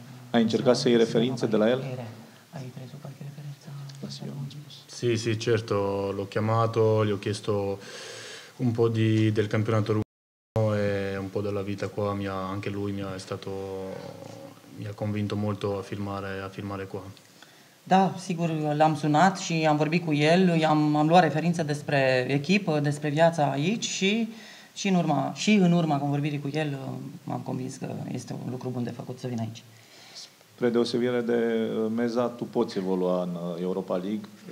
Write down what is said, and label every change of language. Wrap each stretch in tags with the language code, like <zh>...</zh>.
<ro>Ai încercat să iei referințe de la el?</ro> <it>Ai preso qualche referință? La Sion. Sì, certo. L'ho chiamato, gli ho chiesto... un po' del campionato russo e un po' della vita qua, anche lui mi ha convinto molto a firmare qua.</it> <ro>Da, sigur, l-am sunat și am vorbit cu el, am luat referință despre echipă, despre viața aici și în urma convorbirii cu el m-am convins că este un lucru bun de făcut să vin aici. Spre deosebire de Meza, tu poți evolua în Europa League.</ro>